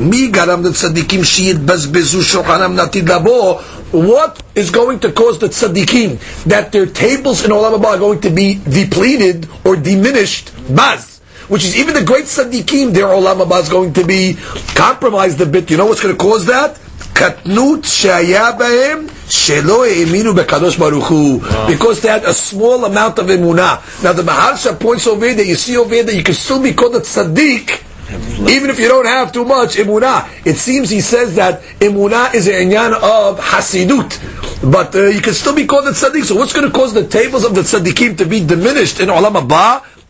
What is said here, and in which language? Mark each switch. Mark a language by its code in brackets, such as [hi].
[he] מי גרם לצדיקים שיתבזבזו שולחנם נתיד לבוא? [en] What is going to cause the tzaddikim that their tables in Olam Haba are going to be depleted or diminished? Baz. Which is even the great tzaddikim, their Olam Haba is going to be compromised a bit. You know what's going to cause that? [he] קטנות שהיה בהם שלא האמינו בקדוש ברוך הוא. [en] Because they had a small amount of אמונה. Now the Maharsha points over there, you see over there, you can still be called a tzaddik, even if you don't have too much אמונה. It seems he says that אמונה is an עניין of חסידות. But you can still be called a tzaddik. So what's going to cause the tables of the tzaddikim to be diminished in Olam Haba?